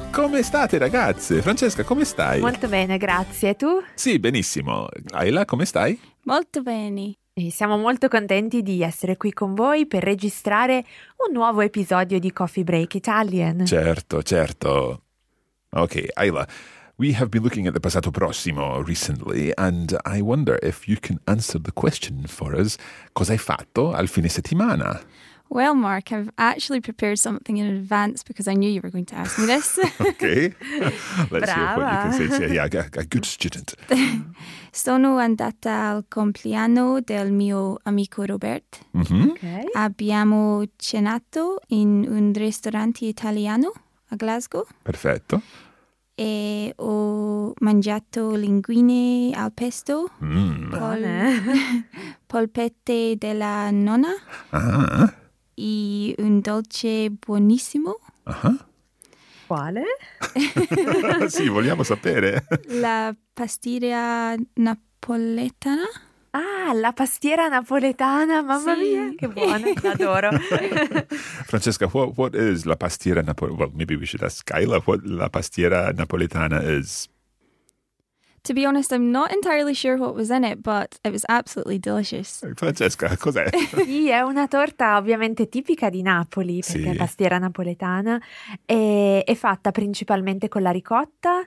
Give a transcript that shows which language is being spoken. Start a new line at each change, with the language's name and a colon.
Italian: Come state ragazze? Francesca, come stai? Molto bene, grazie. E tu? Sì, benissimo. Ella, come stai? Molto bene. E siamo molto contenti di essere qui con voi per registrare un nuovo episodio di Coffee Break Italian. Certo, certo. Ok, Ella.
English: We have been looking at the passato prossimo recently, and I wonder if you can answer the question for us.
Italian: Cosa hai fatto al fine settimana?
English: Well, Mark, I've actually prepared something in advance because I knew you were going to ask me this. Okay. Let's
Italian: Brava.
English: Hear what you can say. Yeah, a good student.
Italian: Sono andata al compleanno del mio amico Robert. Mm-hmm.
English: Okay.
Italian: Abbiamo cenato in un ristorante italiano a Glasgow. Perfetto. E ho mangiato linguine al pesto, polpette della nonna, ah. E un dolce buonissimo. Uh-huh. Quale? Sì, vogliamo sapere. La pastiera napoletana. Ah, la pastiera napoletana, mamma sì. Mia, che buona, adoro.
English: Francesca, what is la pastiera napoletana? Well, maybe we should ask Skyla what la pastiera napoletana is. To be honest, I'm not entirely sure what was in it, but it was absolutely delicious.
Italian: Francesca, cos'è? Sì, è una torta ovviamente tipica di Napoli, perché sì. È pastiera napoletana, e è fatta principalmente con la ricotta